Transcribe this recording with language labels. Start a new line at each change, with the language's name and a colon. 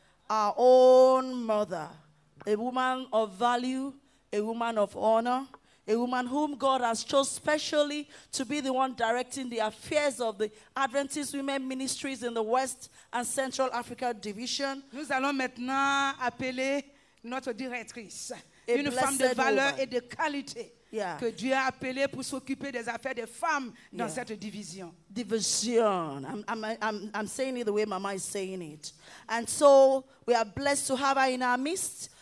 English: Our own mother, a woman of value, a woman of honor, a woman whom God has chosen specially to be the one directing the affairs of the Adventist Women Ministries in the West and Central Africa Division.
French: Nous allons maintenant appeler notre directrice, une femme de valeur et de qualité que Dieu a appelée pour s'occuper des affaires des femmes dans cette division.
English: Division. I'm saying it the way Mama is saying it. And so we are blessed to have her in our midst.